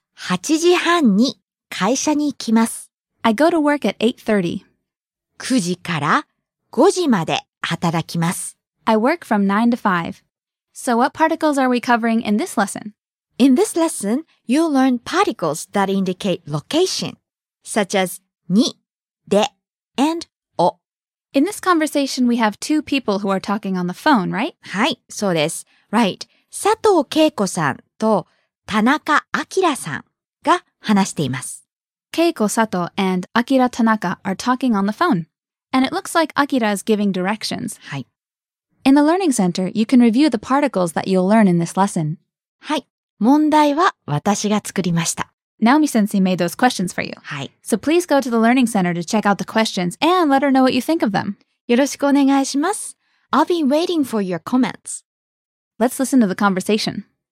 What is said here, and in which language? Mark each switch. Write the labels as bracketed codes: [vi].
[ja] 8時半に会社に行きます。 [en] I go to work at 8:30. [ja] 9時から5時まで働きます。 [en] I work from 9 to 5. So what particles are we covering in this lesson? In this lesson, you'll learn particles that indicate location, such as ni, de, and o. In this conversation, we have two people who are talking on the phone, right? [ja] はい、そうです。 [en] Right. [ja] 佐藤恵子さんと田中明さんが話しています。 [en] Keiko Sato and Akira Tanaka are talking on the phone. And it looks like Akira is giving directions. [ja] はい。 [en] In the learning center, you can review the particles that you'll learn in this lesson. [ja] はい。問題は私が作りました。 [en] Naomi Sensei made those questions for you. [ja] はい。 [en] So please go to the Learning Center to check out the questions and let her know what you think of them. [ja] よろしくお願いします。 [en] I'll be waiting for your comments. Let's listen to the conversation.